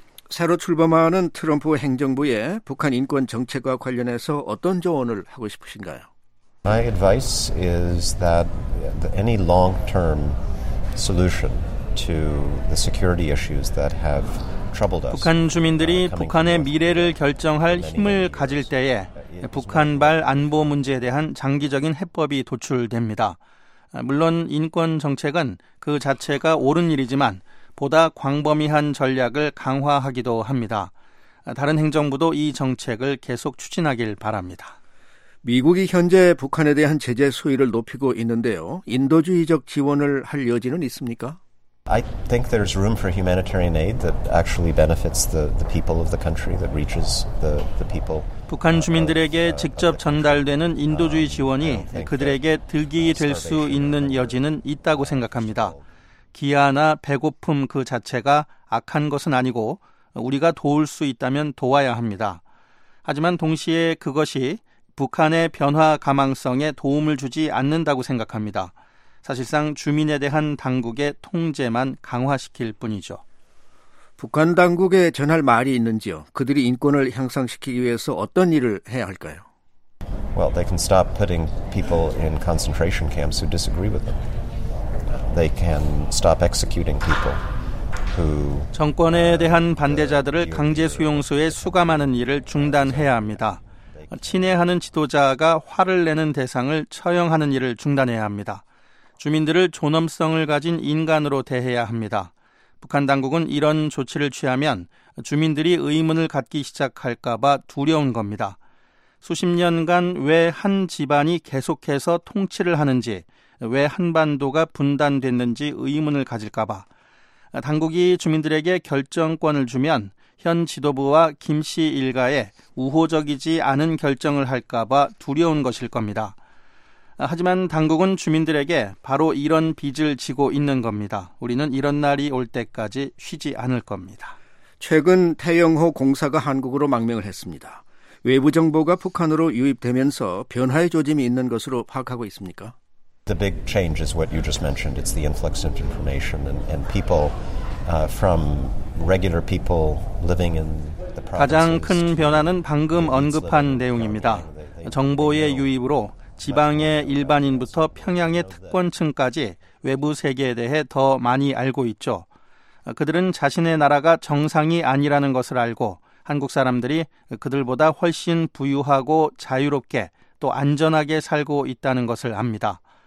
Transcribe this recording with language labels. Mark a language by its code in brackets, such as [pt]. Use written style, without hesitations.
[ko] 새로 출범하는 트럼프 행정부에 북한 인권 정책과 관련해서 어떤 조언을 하고 싶으신가요? [en] My advice is that any long-term solution to the security issues that have [ko] 북한 주민들이 북한의 미래를 결정할 힘을 가질 때에 북한발 안보 문제에 대한 장기적인 해법이 도출됩니다. 물론 인권 정책은 그 자체가 옳은 일이지만 보다 광범위한 전략을 강화하기도 합니다. 다른 행정부도 이 정책을 계속 추진하길 바랍니다. 미국이 현재 북한에 대한 제재 수위를 높이고 있는데요. 인도주의적 지원을 할 여지는 있습니까? [en] I think there's room for humanitarian aid that actually benefits the people of the country that reaches the people. [ko] 북한 주민들에게 직접 전달되는 인도주의 지원이 그들에게 득이 될 수 있는 여지는 있다고 생각합니다. 기아나 배고픔 그 자체가 악한 것은 아니고 우리가 도울 수 있다면 도와야 합니다. 하지만 동시에 그것이 북한의 변화 가망성에 도움을 주지 않는다고 생각합니다. 사실상 주민에 대한 당국의 통제만 강화시킬 뿐이죠. 북한 당국에 전할 말이 있는지요? 그들이 인권을 향상시키기 위해서 어떤 일을 해야 할까요? [en] Well, they can stop putting people in concentration camps who disagree with them. They can stop executing people who [ko] 정권에 대한 반대자들을 강제 수용소에 수감하는 일을 중단해야 합니다. 친애하는 지도자가 화를 내는 대상을 처형하는 일을 중단해야 합니다. 주민들을 존엄성을 가진 인간으로 대해야 합니다. 북한 당국은 이런 조치를 취하면 주민들이 의문을 갖기 시작할까 봐 두려운 겁니다. 수십 년간 왜 한 집안이 계속해서 통치를 하는지, 왜 한반도가 분단됐는지 의문을 가질까 봐. 당국이 주민들에게 결정권을 주면 현 지도부와 김 씨 일가에 우호적이지 않은 결정을 할까 봐 두려운 것일 겁니다. 하지만 당국은 주민들에게 바로 이런 빚을 지고 있는 겁니다. 우리는 이런 날이 올 때까지 쉬지 않을 겁니다. 최근 태영호 공사가 한국으로 망명을 했습니다. 외부 정보가 북한으로 유입되면서 변화의 조짐이 있는 것으로 파악하고 있습니까? [en] The big change is what you just mentioned. It's the influx of information and people from regular people living in the province. [ko] 가장 큰 변화는 방금 언급한 내용입니다. 정보의 유입으로 지방의 일반인부터 평양의 특권층까지 외부 세계에 대해 더 많이 알고 있죠. 그들은 자신의 나라가 정상이 아니라는 것을 알고 한국 사람들이 그들보다 훨씬 부유하고 자유롭게 또 안전하게 살고 있다는 것을 압니다.